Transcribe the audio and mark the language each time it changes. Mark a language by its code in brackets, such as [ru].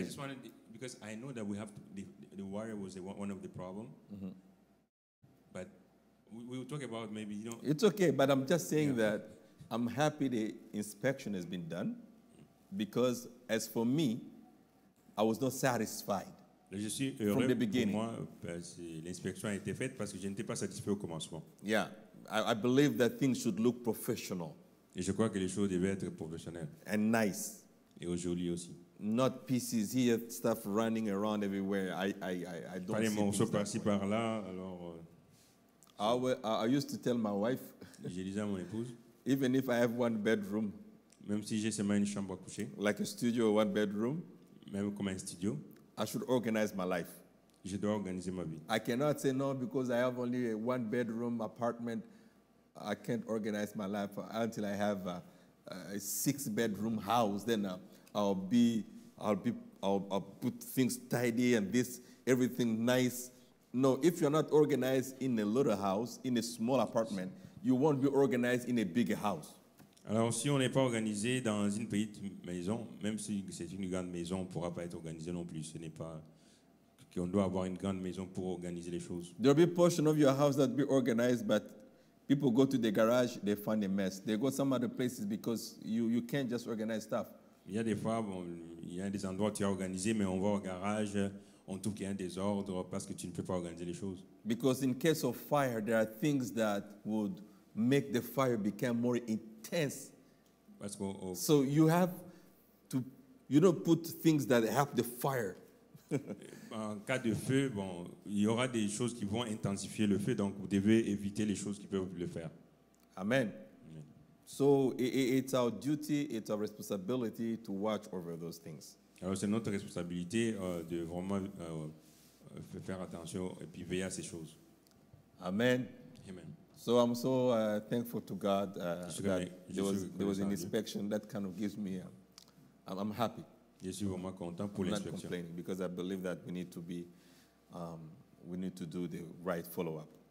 [en] I just wanted because I know that we have the wire was one of the problem. Mm-hmm. But we'll talk about maybe you know. It's okay, but I'm just saying that I'm happy the inspection has been done because as for me, I was not satisfied. [fr] Je suis heureux [en] from the beginning. [fr] Pour moi, parce que l'inspection a été faite parce que je n'étais pas satisfait au commencement. [en] Yeah, I believe that things should look professional. [fr] Et je crois que les choses devaient être professionnelles. [en] And nice. [fr] Et aujourd'hui aussi. [en] Not pieces here, stuff running around everywhere. I don't see. [fr] Pas les morceaux par-ci par-là. Alors. [en] I used to tell my wife. [fr] Je disais à mon épouse. [en] Even if I have one bedroom. [fr] Même si j'ai seulement une chambre à coucher. [en] Like a studio or one bedroom. [fr] Même comme un studio. [en] I should organize my life. [fr] Je dois organiser ma vie. [en] I cannot say no because I have only a one bedroom apartment. I can't organize my life until I have a six-bedroom house, then I'll put things tidy and this, everything nice. No, if you're not organized in a little house, in a small apartment, you won't be organized in a bigger house. [fr] Alors, si on n'est pas organisé dans une petite maison, même si c'est une grande maison, on ne pourra pas être organisé non plus. Ce n'est pas qu'on doit avoir une grande maison pour organiser les choses. [en] There'll be a portion of your house that'll be organized, but people go to the garage, they find a mess. They go some other places because you can't just organize stuff. [fr] Il y a des fois, il y a des endroits où tu as organisé, mais on va au garage, on trouve qu'il y a un désordre parce que tu ne peux pas organiser les choses. [en] Because in case of fire, there are things that would make the fire become more intense. [fr] Parce qu'on, [en] so you have to, you don't put things that help the fire. [fr] En cas de feu, bon, il y aura des choses qui vont intensifier le feu, donc vous devez éviter les choses qui peuvent le faire. Amen. [en] So it's our duty, it's our responsibility to watch over those things. [fr] Alors c'est notre responsabilité de vraiment faire attention et puis veiller à ces choses. Amen. Amen. [en] So I'm so thankful to God that there was an inspection that kind of gives me. I'm happy. [fr] Je suis vraiment content pour l'inspection. [en] I'm not complaining because I believe that we need to be, we need to do the right follow-up.